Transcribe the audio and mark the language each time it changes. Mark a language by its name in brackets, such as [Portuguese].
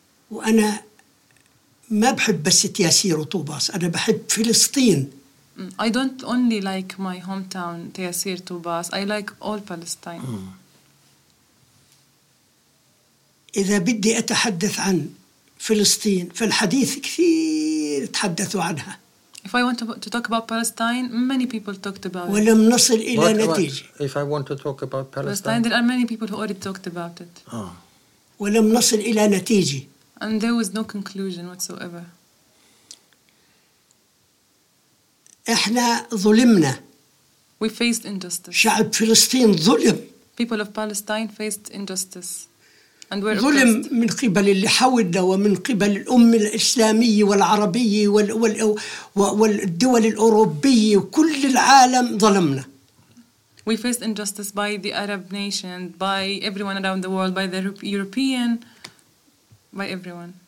[Arabic] وأنا ما بحب بس تياسير وطوباس، أنا بحب فلسطين. [English] I don't only like my hometown تياسير طوباس. I like all Palestine. [Arabic] إذا بدي أتحدث عن فلسطين فالحديث كثير تحدثوا عنها. [English] If I want to talk about Palestine, many people talked about it. [Arabic] ولم نصل إلى نتيجة. [English] If I want to talk about Palestine, there are many people who already talked about it. [Arabic] ولم نصل إلى نتيجة. [English] And there was no conclusion whatsoever. [Arabic] إحنا ظلمنا. [English] We faced injustice. [Arabic] شعب فلسطين ظلم. [English] People of Palestine faced injustice. [Arabic] ظلم من قبل اللي حولنا ومن قبل الأمة الإسلامية والعربية والدول الأوروبية وكل العالم ظلمنا. [English] We faced injustice by the Arab nation, by everyone around the world, by the European, by everyone.